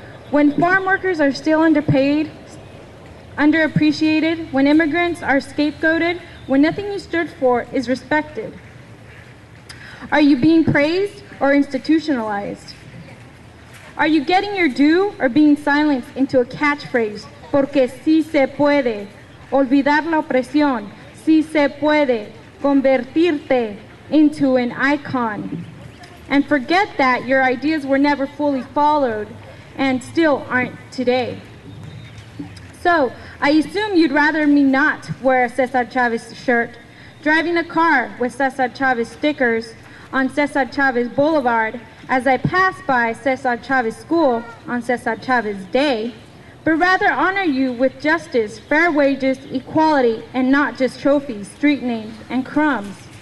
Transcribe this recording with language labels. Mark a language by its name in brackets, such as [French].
[English] When farm workers are still underpaid, underappreciated, when immigrants are scapegoated, when nothing you stood for is respected, are you being praised or institutionalized? Are you getting your due or being silenced into a catchphrase? [Spanish] Porque sí se puede olvidar la opresión, sí se puede convertirte [English] into an icon. And forget that your ideas were never fully followed and still aren't today. So, I assume you'd rather me not wear a Cesar Chavez shirt, driving a car with Cesar Chavez stickers on Cesar Chavez Boulevard as I pass by Cesar Chavez School on Cesar Chavez Day, but rather honor you with justice, fair wages, equality, and not just trophies, street names, and crumbs.